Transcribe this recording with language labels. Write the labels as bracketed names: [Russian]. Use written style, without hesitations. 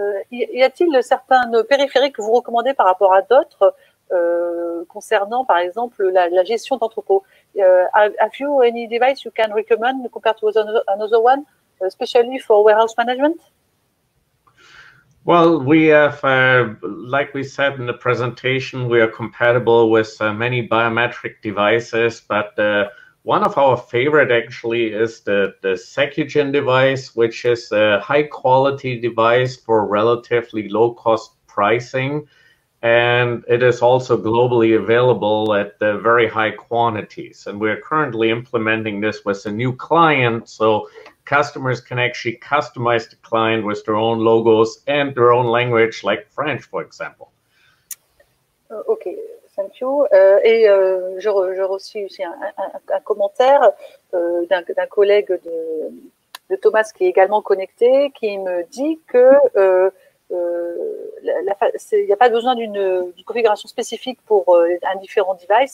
[French] Y a-t-il certains périphériques que vous recommandez par rapport à d'autres concernant, par exemple, la gestion d'entrepôt? [English] Have you any device you can recommend compared to another one, especially for warehouse management? Well, we have, like we said in the presentation, we are compatible with many biometric devices, but one of our favorite actually is the Secugen device, which is a high quality device for relatively low cost pricing, and it is also globally available at the very high quantities. And we're currently implementing this with a new client, so customers can actually customize the client with their own logos and their own language, like French, for example. Okay. Thank you. [French] Et je reçus aussi un commentaire d'un collègue de Thomas qui est également connecté, qui me dit que il n'y a pas besoin d'une configuration spécifique pour un différent device.